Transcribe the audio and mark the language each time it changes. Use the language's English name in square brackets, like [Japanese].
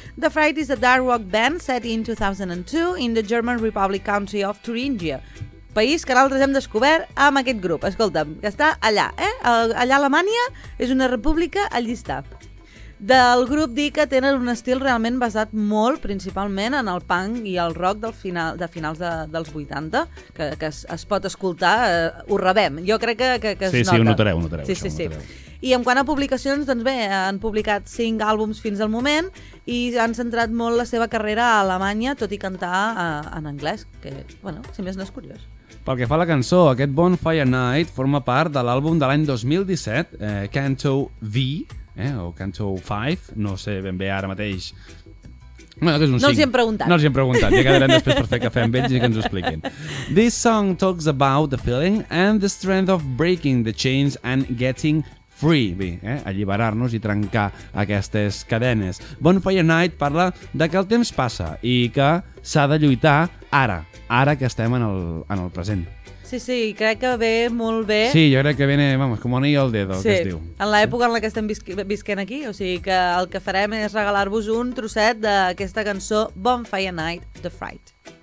[English] The Fright is a dark rock band set in 2002 in the German Republic country of Thuringia. [Catalan] País que nosaltres hem descobert amb aquest grup. Escolta'm, que està allà, allà a Alemanya, és una república allistat. Del grup dir que tenen un estil realment basat molt, principalment, en el punk i el rock de finals dels 80, que es pot escoltar, ho rebem. Jo crec que es sí, nota. Sí, ho notareu. Sí, això, sí, sí. I en quant a publicacions, doncs bé, han publicat 5 àlbums fins al moment i han centrat molt la seva carrera a Alemanya, tot i cantar en anglès, que, bueno, si més no és curiós. Pel que fa a la cançó, aquest Bonfire Night forma part de l'àlbum de l'any 2017, Canto V, o Canto 5, no sé ben bé ara mateix... Bueno, que és un no 5. Els hem preguntat. No els hem preguntat, ja quedarem després per fer cafè amb ells i que ens ho expliquin. [English] This song talks about the feeling and the strength of breaking the chains and getting... [Catalan] free, alliberar-nos i trencar aquestes cadenes. Bonfire Night parla de que el temps passa i que s'ha de lluitar ara que estem en el present. Sí, sí, crec que ve molt bé. Sí, jo crec que ve, vamos, com un i el dedo, sí, que es diu. En l'època en la que estem visquent aquí, o sigui que el que farem és regalar-vos un trosset d'aquesta cançó Bonfire Night, The Fright.